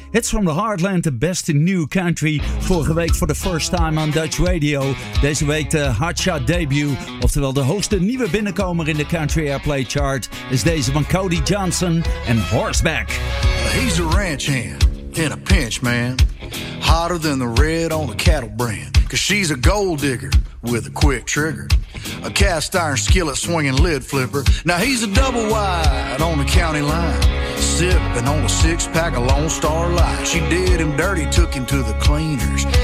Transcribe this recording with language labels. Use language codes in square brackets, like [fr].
[en] It's from the Heartland, the best in new country. [nl] Vorige week [en] for the first time on Dutch Radio. [nl] Deze week de Hotshot debut. Oftewel de hoogste nieuwe binnenkomer in de Country Airplay chart is deze van Cody Johnson en Horseback. [en] He's a ranch hand in a pinch, man. Hotter than the red on the cattle brand. Cause she's a gold digger with a quick trigger. A cast iron skillet swinging lid flipper. Now he's a double wide on the county line. Sipping on a six pack of Lone Star Light. She did him dirty, took him to the cleaners.